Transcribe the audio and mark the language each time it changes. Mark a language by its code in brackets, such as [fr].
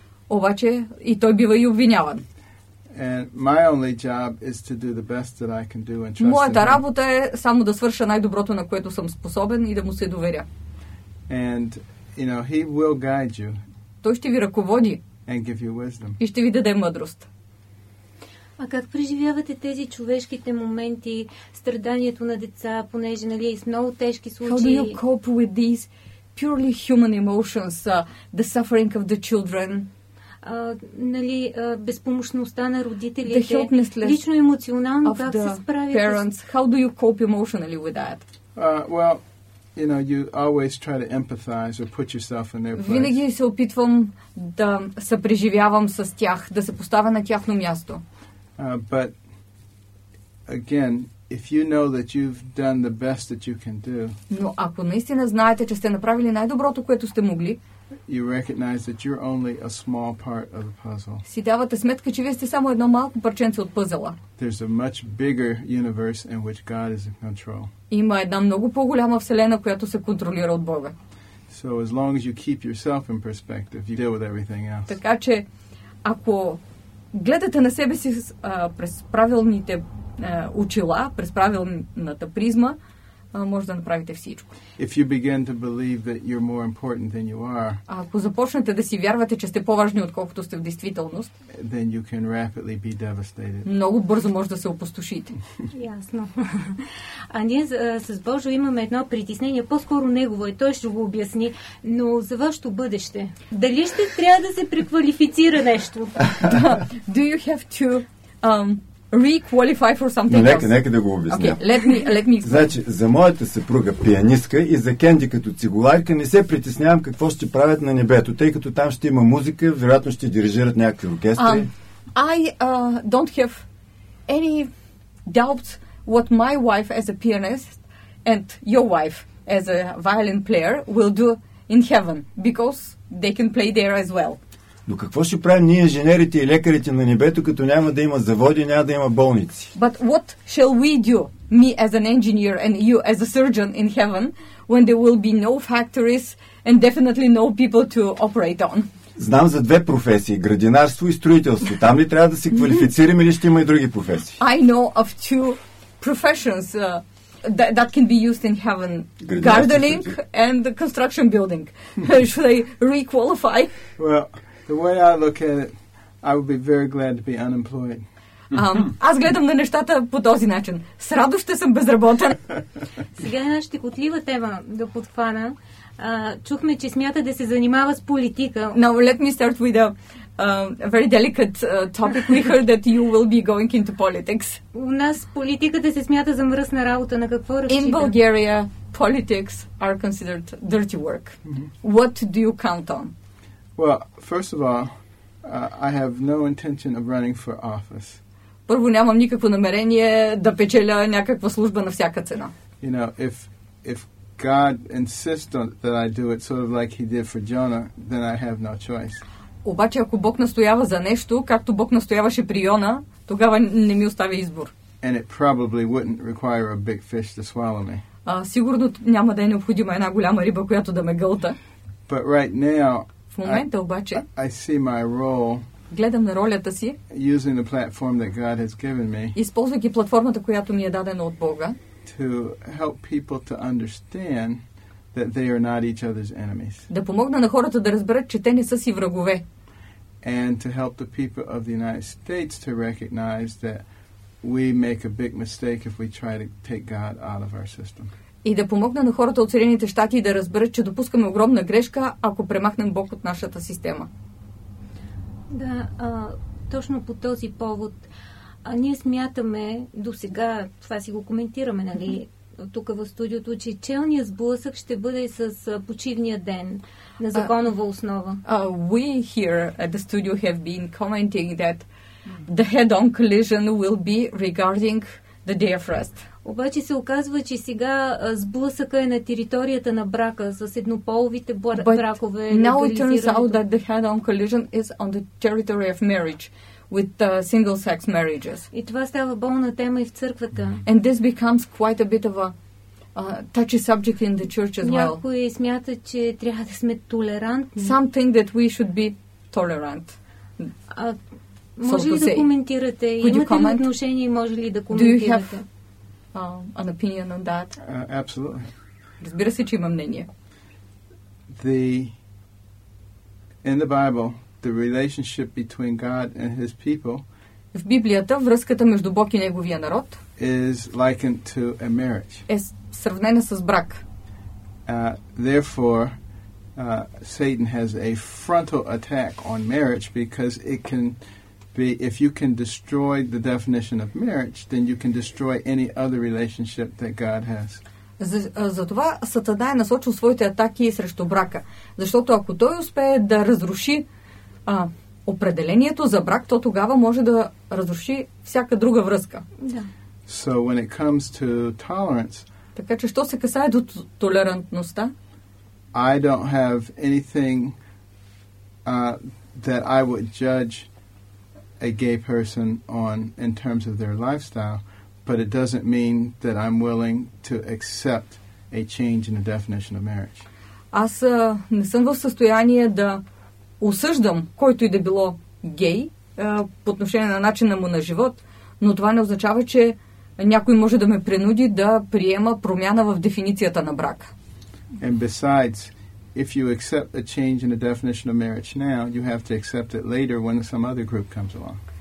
[bg] Обаче и той бива и обвиняван. [en] And my only job is to do the best that I can do and trust. [bg] Моята работа е само да свърша най-доброто, на което съм способен и да му се доверя. [en] And you know, he will guide you. [bg] Той ще ви ръководи. [en] And give you wisdom. [bg] И ще ви даде мъдрост. А как преживявате тези човешките моменти, страданието на деца, понеже нали с много тежки случаи? [en] How do you cope with these purely human emotions, the suffering of the children? [bg] Нали, безпомощността на родителите, [en] the helplessness [bg] лично емоционално [en] of [bg] как [en] the [bg] се справите [en] parents, how do you cope emotionally with that? Well, you know, you always try to empathize or put yourself in their place. [bg] Винаги се опитвам да съпреживявам с тях, да се поставя на тяхно място. [en] But again, if you know that you've done the best that you can do. [bg] Но ако наистина знаете, че сте направили най-доброто, което сте могли, [en] you recognize that you're only a small part of the puzzle. [bg] Си давате сметка, че вие сте само едно малко парченце от пъзела. [en] There's a much bigger universe in which God is in control. [bg] Има една много по-голяма вселена, която се контролира от Бога. [en] So as long as you keep yourself in perspective, you deal with everything else. [bg] Така че ако гледате на себе си през правилните очила, през правилната призма, може да направите всичко. [en] If you begin to believe that you're more important than you are, [bg] ако започнете да си вярвате, че сте по-важни, отколкото сте в действителност, [en] then you can rapidly be devastated. [bg] Много бързо може да се опустошите. Ясно. А ние с Божо имаме едно притеснение, по-скоро негово е, той ще го обясни, но за вашето бъдеще. Дали ще трябва да се преквалифицира нещо? [en] Do you have to re-qualify for something [bg] нека, [en] else. [bg] Нека да го обясня. [en] Okay, let me explain. [bg] Значи, за моята съпруга пианистка и за Кенди като цигуларка не се притеснявам какво ще правят на небето, тъй като там ще има музика, вероятно ще дирижират някакви оркестри. [en] I don't have any doubts what my wife as a pianist and your wife as a violin player will do in heaven, because they can play there as well. [bg] Но какво ще правим ние, инженерите и лекарите на небето, като няма да има заводи, няма да има болници? [en] But what shall we do, me as an engineer and you as a surgeon in heaven, when there will be no factories and definitely no people to operate on? [bg] Знам за две професии, градинарство и строителство. Там ли трябва да се квалифицираме или ще има и други професии? [en] I know of two professions that can be used in heaven. Gardening and the construction building. Should I re-qualify? Well, the way I look at it, I would be very glad to be unemployed. [bg] Аз гледам на нещата по този начин. С радост ще съм безработен. Сега една щекотлива тема да подхвана. Чухме, че смята да се занимава с политика. [en] Now let me start with a very delicate topic. We heard that you will be going into politics. [bg] У нас политиката се смята за мръсна работа. На какво разчита? [en] In Bulgaria, politics are considered dirty work. Mm-hmm. What do you count on? Well, first of all, I have no intention of running for office. [bg] Първо, нямам никакво намерение да печеля някаква служба на всяка цена. [en] You know, if God insists that I do it sort of like he did for Jonah, then I have no choice. [bg] Обаче ако Бог настоява за нещо, както Бог настояваше при Йона, тогава не ми остави избор. [en] And it probably wouldn't require a big fish to swallow me. [bg] Сигурно няма да е необходима една голяма риба, която да ме гълта. [en] But right now, [bg] в момента обаче [en] I see my role, [bg] гледам на ролята си, [en] using the platform that God has given me, [bg] използвайки платформата, която ми е дадена от Бога, [en] to help people to understand that they are not each other's enemies. [bg] Да помогна на хората да разберат, че те не са си врагове. [en] And to help the people of the United States to recognize that we make a big mistake if we try to take God out of our system. [bg] И да помогна на хората от Съединените щати да разберат, че допускаме огромна грешка, ако премахнем Бог от нашата система. Да, точно по този повод. А ние смятаме до сега, това си го коментираме, нали, тук в студиото, че челния сблъсък ще бъде с почивния ден на законова основа. [en] We here at the studio have been commenting that the head-on collision will be regarding the day of rest. [bg] Обаче се оказва, че сега сблъсъка е на територията на брака с еднополовите бракове. [en] But now it turns out that the head-on collision is on the territory of marriage with single-sex marriages. [bg] И това става болна тема и в църквата. [en] And this becomes quite a bit of a touchy subject in the church as well. [bg] Някои смятат, че трябва да сме толерантни. [en] Some think that we should be tolerant. [bg] Може ли да коментирате? Имате ли отношение и може ли да коментирате? [en] An opinion on that? Absolutely. [bg] Разбира се, че има мнение. [en] In the Bible, the relationship between God and His people, [bg] в Библията връзката между Бог и Неговия народ, [en] is likened to a marriage. [bg] Е сравнена с брак. [en] Therefore, Satan has a frontal attack on marriage because it can be, if you can destroy the definition of marriage, then you can destroy any other relationship that God has. [bg] Затова Сатана е насочил своите атаки срещу брака. Защото ако той успее да разруши определението за брак, то тогава може да разруши всяка друга връзка. Да. [en] So when it comes to tolerance, [bg] така че що се касае до толерантността, [en] I don't have anything that I would judge a gay person on in terms of their lifestyle, but it doesn't mean that I'm willing to accept a change in the definition of marriage. [bg] Аз не съм в състояние да осъждам който и да било гей по отношение на начина му на живот, но това не означава, че някой може да ме принуди да приема промяна в дефиницията на брак. [en] And besides, if you accept a change in the definition of marriage now, you have to accept it later when some other group comes along.